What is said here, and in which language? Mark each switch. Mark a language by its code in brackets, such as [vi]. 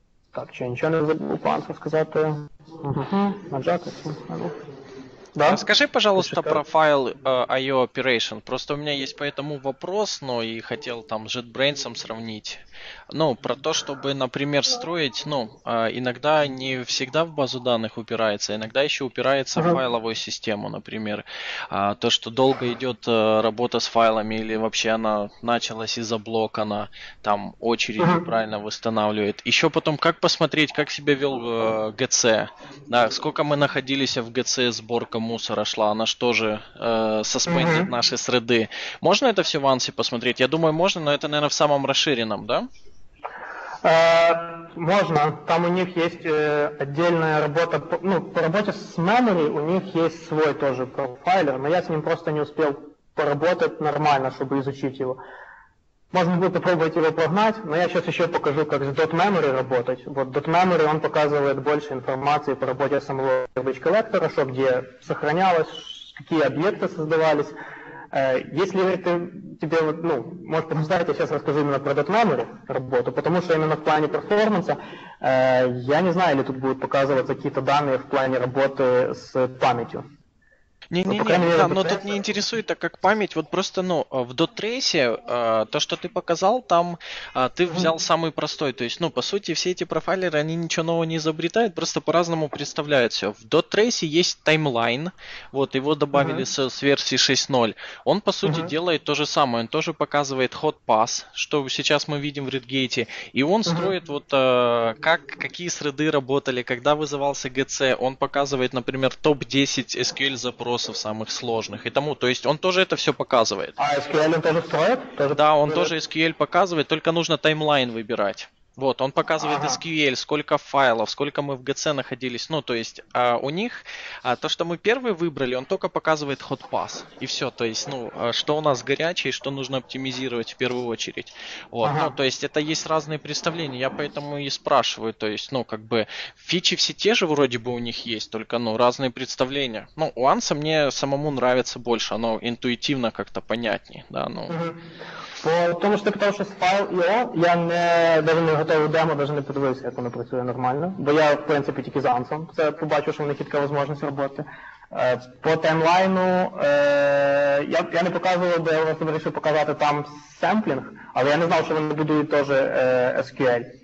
[uk] Так, чи я нічого не забув, пан, сказати? [ru] Ajax, ну, да? Расскажи, пожалуйста, про файл IO Operation. Просто у меня есть по этому вопрос, но и хотел там с JetBrains сравнить. Ну, про то, чтобы, например, строить, ну, иногда не всегда в базу данных упирается, иногда еще упирается в файловую систему, например. То, что долго идет работа с файлами, или вообще она началась и заблокана, там очередь неправильно восстанавливает. Еще потом, как посмотреть, как себя вел GC? Да, сколько мы находились в GC сборка мусора шла, она же тоже suspended наши среды. Можно это все в ANSI посмотреть? Я думаю, можно, но это, наверное, в самом расширенном, да? Можно. Там у них есть отдельная работа. Ну, по работе с memory у них есть свой тоже профайлер, но я с ним просто не успел поработать нормально, чтобы изучить его. Можно будет попробовать его прогнать, но я сейчас еще покажу, как с .memory работать. Вот .memory, он показывает больше информации по работе самого garbage collector, что где сохранялось, какие объекты создавались. Если тебе, ну, может подождать, я сейчас расскажу именно про .memory работу, потому что именно в плане перформанса, я не знаю, или тут будут показываться какие-то данные в плане работы с памятью. Но тут не интересует, так как память, вот просто, ну, в дотрейсе, то, что ты показал, там ты взял самый простой, то есть, ну, по сути, все эти профайлеры, они ничего нового не изобретают, просто по-разному представляют все. В дотрейсе есть таймлайн, вот, его добавили с версии 6.0, он, по сути, делает то же самое, он тоже показывает hot pass, что сейчас мы видим в Redgate, и он строит, вот, какие среды работали, когда вызывался GC, он показывает, например, топ-10 SQL запросов, самых сложных и тому. То есть он тоже это все показывает. А SQL он тоже строит? Тоже... Да, он тоже SQL показывает, только нужно таймлайн выбирать. Вот, он показывает Ага. SQL, сколько файлов, сколько мы в GC находились. Ну, то есть у них то, что мы первый выбрали, он только показывает hot pass. И все, то есть, ну, что у нас горячее, что нужно оптимизировать в первую очередь. Вот, ну, Ага. то есть это есть разные представления, я поэтому и спрашиваю. То есть, ну, как бы фичи все те же вроде бы у них есть, только, ну, разные представления. Ну, у Анса мне самому нравится больше, оно интуитивно как-то понятнее, да, ну... [uk] Тому що ти питав, що з файл.io, я не даже не готовий демо, даже не подивився, як воно працює нормально. Бо я, в принципі, тільки з Ансом. Це побачив, що в них є така можливість роботи. По таймлайну я не показував, бо я власне вирішив показати там семплінг, але я не знав, що вони будують теж SQL.